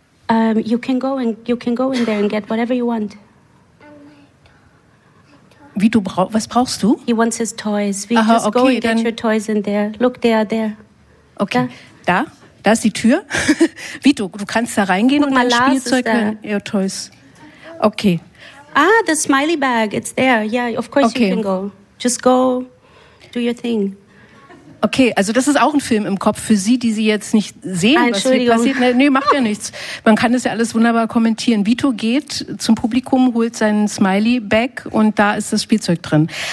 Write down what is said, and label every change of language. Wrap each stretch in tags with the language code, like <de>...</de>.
<en>You can go in there and get whatever you want.</en> <de>Vito, was brauchst du?</de> <en>He wants his toys. Vito, aha, just okay, go and get your toys in there. Look there.</en> <de>Okay, da ist die Tür. Vito, du kannst da reingehen. Guck mal, und dein Spielzeug,</de> <en>your toys.</en> <de>Okay.</de> <en>Ah, the smiley bag, it's there. Yeah, of course okay. You can go. Just go, do your thing.</en> <de>Okay, also das ist auch ein Film im Kopf für Sie, die Sie jetzt nicht sehen, was hier passiert. Nee, macht ja nichts. Man kann das ja alles wunderbar kommentieren. Vito geht zum Publikum, holt seinen Smiley Bag und da ist das Spielzeug drin.</de>